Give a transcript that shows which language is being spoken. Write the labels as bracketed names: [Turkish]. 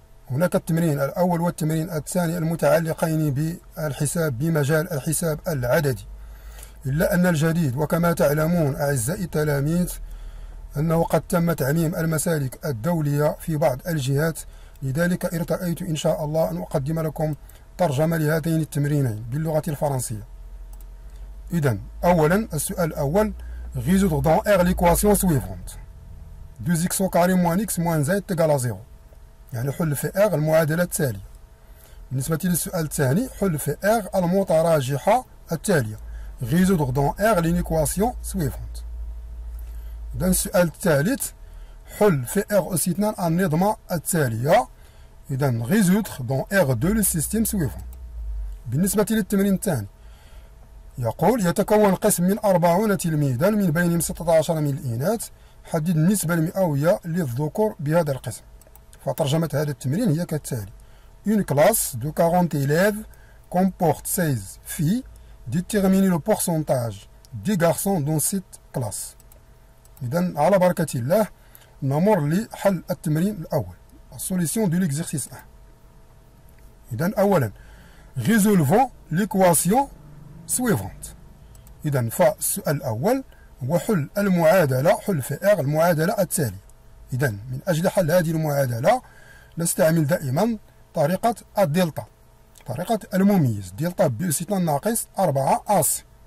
[Arabic] هناك التمرين الأول والتمرين الثاني المتعلقين بالحساب بمجال الحساب العددي. إلا أن الجديد، وكما تعلمون أعزائي التلاميذ، أنه قد تم تعميم المسالك الدولية في بعض الجهات، لذلك ارتأيت إن شاء الله أن أقدم لكم ترجمة لهذين التمرينين باللغة الفرنسية. إذن أولا السؤال الأول: [French] résoudre dans R l'équation suivante 2x au carré moins x moins z égale à 0. [Arabic] يعني حل في R المعادلة التالية. بالنسبة للسؤال الثاني: حل في R المتراجحة التالية. [French] résoudre dans R l'équation suivante. Dans le sujet suivant, [Arabic] حل في R [French] aussi un énigme [Arabic] التالية. [French] Donc résoudre dans R2 le système suivant. [Arabic] بالنسبة للتمرين الثاني، يقول يتكون قسم من 40 تلميذا من بينهم 16 من الإناث، حدد النسبة المئوية للذكور بهذا القسم. فترجمة هذا التمرين هي كالتالي: [French] une classe de 40 élèves comporte 16 filles. Déterminer le pourcentage des garçons dans cette classe. [Arabic] إذن على بركة الله نمر لحل التمرين الأول. [French] Solution de l'exercice 1. [Arabic] إذن أولا: [French] résolvons l'équation suivante. [Arabic] إذن فالسؤال الأول هو حل المعادلة، حل في R المعادلة التالية. إذن من أجل حل هذه المعادلة نستعمل دائما طريقة الدلتا. طريقة المميز دلتا بي أوس اتنان ناقص 4 أس.